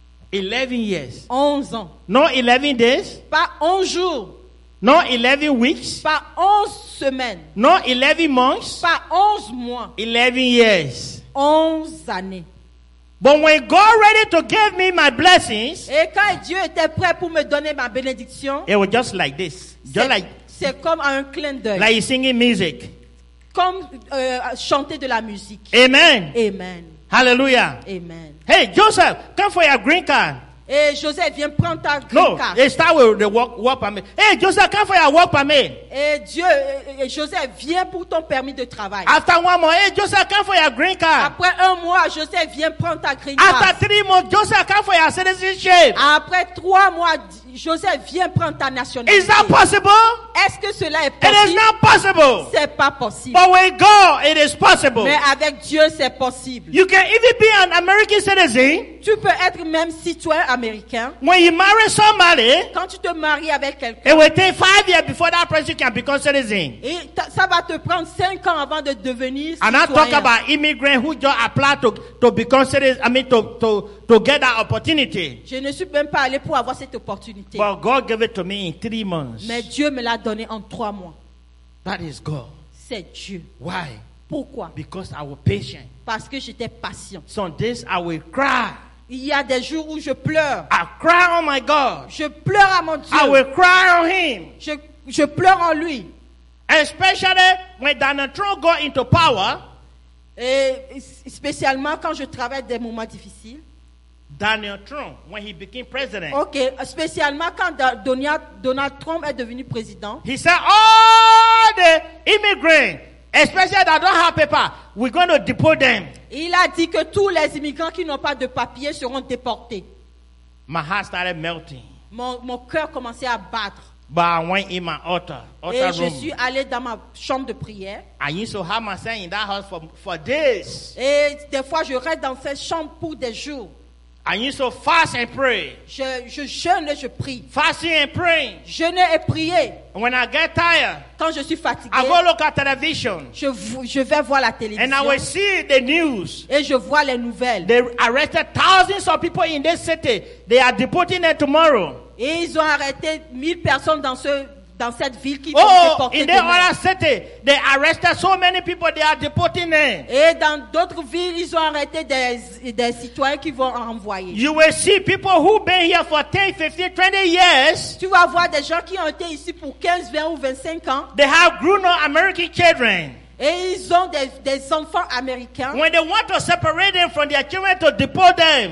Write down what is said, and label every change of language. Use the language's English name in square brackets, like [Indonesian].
[English] 11 years. [French] 11 ans. [English] Not 11 days. [French] Pas 11 jours. [English] Not 11 weeks. [French] Pas 11 semaines. [English] Not 11 months. [French] Pas 11 mois. [English] 11 years. [French] 11 années. [English] But when God ready to give me my blessings. [French] Et quand Dieu était prêt pour me donner ma bénédiction. [English] It was just like this. Just like. [French] C'est comme un clin d'œil. [English] Like singing music. [French] Comme chanter de la musique. Amen. Amen. Hallelujah. Amen. [English] Hey, Joseph, come for your green card. [French] Hey, Joseph, viens prendre ta green card. [English] No, start with the work permit. Hey, Joseph, come for your work permit. [French] Hey, Dieu, Joseph, viens pour ton permis de travail. [English] After 1 month, hey, Joseph, come for your green card. [French] Après un mois, Joseph, viens prendre ta green [English] card. After 3 months, Joseph, come for your citizenship. [French] Après 3 mois, Joseph, viens prendre ta nationalité. [English] Is that possible? [French] Est-ce que cela est possible? [English] It is not possible. [French] C'est pas possible. [English] But with God, it is possible. [French] Mais avec Dieu, c'est possible. [English] You can even be an American citizen. [French] Tu peux être même citoyen américain. [English] When you marry somebody, [French] quand tu te maries avec quelqu'un, [English] it will take 5 years before that person can become citizen. [French] Et ça va te prendre 5 ans avant de devenir citoyen. [English] And I talk about immigrants who just apply to become citizen. I mean to get that opportunity. [French] Je ne suis même pas allé pour avoir cette opportunité. [English] But God gave it to me in 3 months. [French] Mais Dieu me l'a donné en 3 mois. [English] That is God. [French] C'est Dieu. [English] Why? [French] Pourquoi? [English] Because I was patient. [French] Parce que j'étais patient. [English] Some days I will cry. [French] Il y a des jours où je pleure. [English] I cry on my God. [French] Je pleure à mon Dieu. [English] I will cry on him. [French] Je pleure en lui. [English] Especially when Donald Trump got into power. [French] Et spécialement quand je traverse des moments difficiles. [English] Donald Trump, when he became president. [French] OK, spécialement quand Donald Trump est devenu président. [English] He said all the immigrants, especially that don't have paper, we're going to deport them. [French] Il a dit que tous les immigrants qui n'ont pas de papier seront déportés. [English] My heart started melting. [French] Mon cœur commençait à battre. [English] But I went in my altar [French] et [English] room. [French] Je suis allé dans ma chambre de prière. [English] I used to have myself in that house for days. [French] Et des fois, je reste dans cette chambre pour des jours. [English] I used to fast and pray. [French] Je jeûne et je prie. [English] Fasting and praying. [French] Jeûner et prier. [English] When I get tired. [French] Quand je suis fatigué. [English] I go look at television. [French] Je vais voir la télévision. [English] And I will see the news. [French] Et je vois les nouvelles. [English] They arrested thousands of people in this city. They are deporting them tomorrow. [French] Et ils ont arrêté 1000 personnes dans cette ville qui oh, vont déporter [English] in the [French] demain. [English] Other city, they arrested so many people, they are deporting them. [French] Et dans d'autres villes, ils ont arrêté des citoyens qui vont envoyer. [English] You will see people who been here for 10, 15, 20 years. [French] Tu vas voir des gens qui ont été ici pour 15, 20 ou 25 ans. [English] They have grown up American children. [French] Et ils ont des enfants américains. [English] When they want to separate them from their children to deport them.